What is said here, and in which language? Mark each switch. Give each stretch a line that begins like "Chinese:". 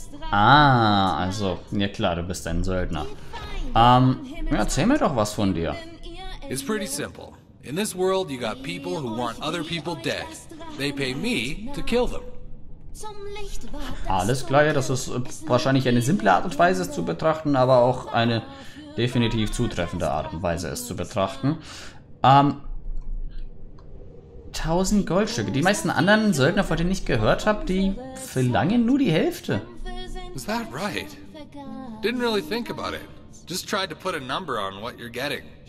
German: Ah, also, ja klar, du bist ein Söldner. Erzähl mir doch was von dir.
English: It's pretty simple. In this world, you got people who want other people dead. They pay me to kill them.
German: Alles klar, ja, das ist wahrscheinlich eine simple Art und Weise, es zu betrachten, aber auch eine definitiv zutreffende Art und Weise, es zu betrachten. 1000 Goldstücke. Die meisten anderen Söldner, von denen ich gehört habe, die verlangen nur die Hälfte.
English: Is that right? Didn't really think about it. Just tried to put a number on what you're getting.